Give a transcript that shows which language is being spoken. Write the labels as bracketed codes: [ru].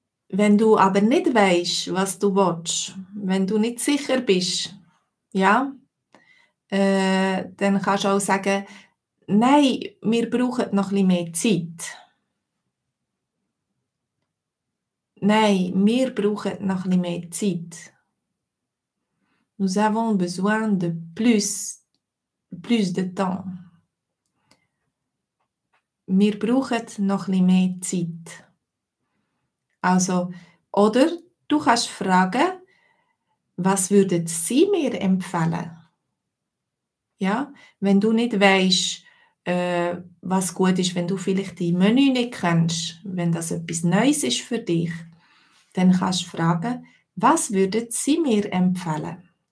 [de] Wenn du aber nicht weißt, was du willst, wenn du nicht sicher bist, ja, dann kannst du auch sagen, nein, wir brauchen noch etwas mehr Zeit. Nein, wir brauchen noch etwas mehr Zeit. [fr] Nous avons besoin de plus de temps. [de] Wir brauchen noch etwas mehr Zeit. Also, oder du kannst fragen, was würden Sie mir empfehlen? Ja, wenn du nicht weißt, was gut ist, wenn du vielleicht die Menü nicht kennst, wenn das etwas Neues ist für dich, dann kannst du fragen, was würden Sie mir empfehlen?